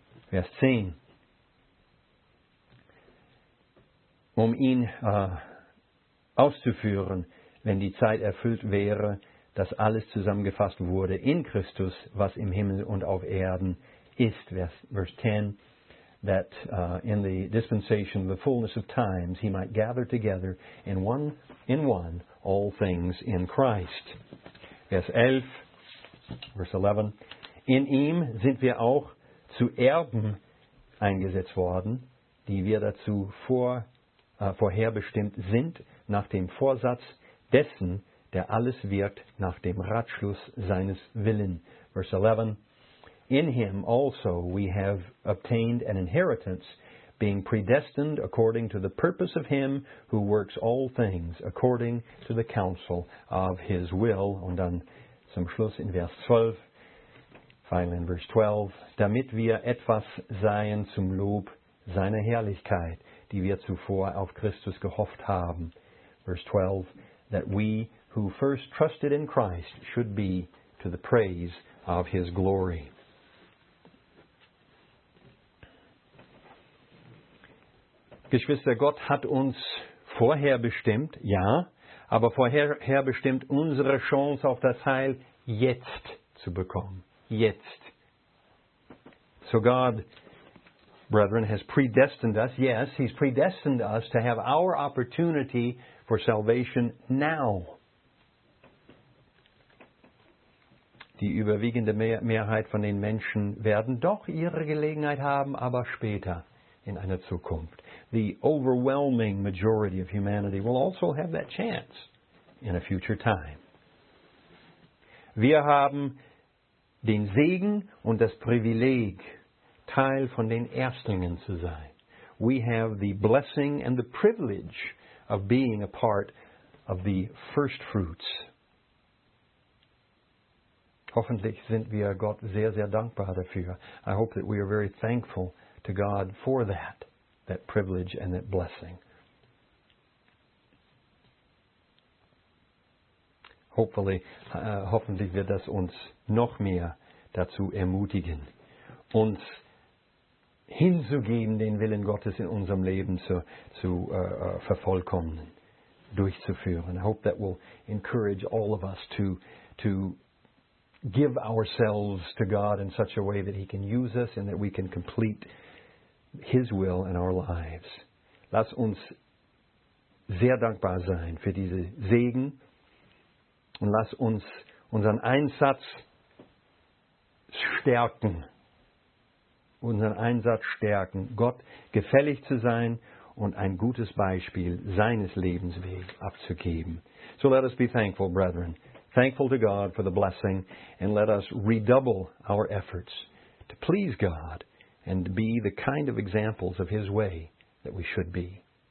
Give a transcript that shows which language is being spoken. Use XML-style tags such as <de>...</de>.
<de>Vers 10. Ihn auszuführen, wenn die Zeit erfüllt wäre, dass alles zusammengefasst wurde in Christus, was im Himmel und auf Erden ist.</de> <en>Vers 10, that in the dispensation of the fullness of times he might gather together in one all things in Christ.</en> <de>Vers 11, in ihm sind wir auch zu Erben eingesetzt worden, die wir dazu vorherbestimmt sind, nach dem Vorsatz dessen, der alles wirkt nach dem Ratschluss seines Willen.</de> <en>Verse 11, in him also we have obtained an inheritance, being predestined according to the purpose of him who works all things according to the counsel of his will.</en> <de>Und dann zum Schluss in Vers 12, final in Vers 12, damit wir etwas seien zum Lob seiner Herrlichkeit, die wir zuvor auf Christus gehofft haben.</de> <en>Vers 12, that we who first trusted in Christ should be to the praise of his glory.</en> <de>Geschwister, Gott hat uns vorher bestimmt, ja, aber vorher bestimmt unsere Chance auf das Heil jetzt zu bekommen. Jetzt.</de> <en>So God, brethren, has predestined us, yes, he's predestined us to have our opportunity for salvation now.</en> <de>Die überwiegende Mehrheit von den Menschen werden doch ihre Gelegenheit haben, aber später, in einer Zukunft.</de> <en>The overwhelming majority of humanity will also have that chance in a future time.</en> <de>Wir haben den Segen und das Privileg, Teil von den Erstlingen zu sein.</de> <en>We have the blessing and the privilege of being a part of the first fruits.</en> <de>Hoffentlich sind wir Gott sehr, sehr dankbar dafür.</de> <en>I hope that we are very thankful to God for that, that privilege and that blessing.</en> <de>Hoffentlich wird das uns noch mehr dazu ermutigen, uns hinzugeben, den Willen Gottes in unserem Leben vervollkommnen, durchzuführen.</de> <en>I hope that will encourage all of us to give ourselves to God in such a way that he can use us and that we can complete his will in our lives.</en> <de>Lass uns sehr dankbar sein für diese Segen und lass uns unseren Einsatz stärken. Unseren Einsatz stärken, Gott gefällig zu sein und ein gutes Beispiel seines Lebensweg abzugeben.</de> <en>So let us be thankful, brethren. Thankful to God for the blessing, and let us redouble our efforts to please God and be the kind of examples of his way that we should be.</en>